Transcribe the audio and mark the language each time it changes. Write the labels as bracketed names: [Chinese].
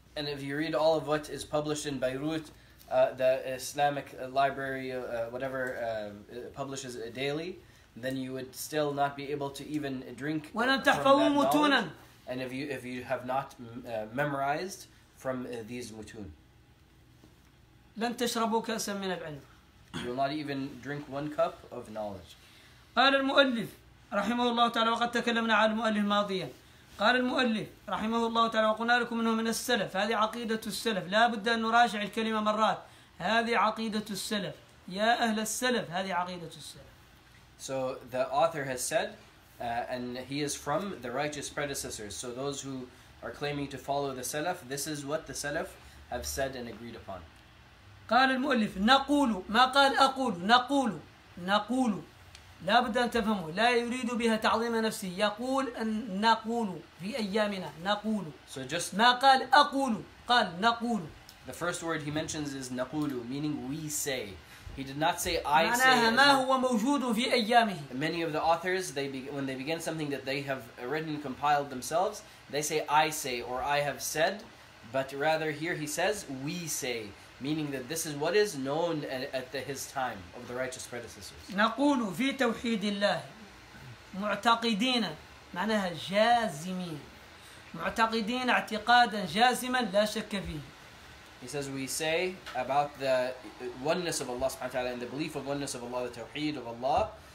[English] And if you read all of what is published in Beirut, the Islamic library, whatever publishes it daily, then you would still not be able to even drink from that knowledge. And if you have not memorized from these mutun, [Arabic] لن تشربوا كأسا من العلم. [English] You will not even drink one cup of knowledge. [Arabic] قال المؤلف رحمه الله تعالى وقد تكلمنا عن المؤلف ماضيا. قال المؤلف رحمه الله تعالى وقلنا لكم انه من السلف هذه عقيدة السلف لا بد ان نراجع الكلمة مرات هذه عقيدة السلف يا اهل السلف هذه عقيدة السلف. [English] So the author has said and he is from the righteous predecessors, so those who are claiming to follow the salaf, this is what the salaf have said and agreed upon. [Arabic] قال المؤلف نقول ما قال اقول نقول لا بد أن تفهمه لا يريد بها تعظيم نفسه يقول أن نقول في أيامنا نقول [English] so just [Arabic] ما قال أقول قال نقول. [English] The first word he mentions is نقول meaning we say. He did not say I [Arabic] معناها [English] say. [Arabic] معناها ما هو موجود في أيامه. [English] Many of the authors when they begin something that they have written and compiled themselves, they say I say or I have said, but rather here he says we say. Meaning that this is what is known at his time of the righteous predecessors. [Arabic] نقول في توحيد الله معتقدين معناها جازمين معتقدين اعتقادا جازما لا شك فيه. [English] He says we say about the oneness of Allah subhanahu wa ta'ala and the belief of oneness of Allah, the tawheed of Allah.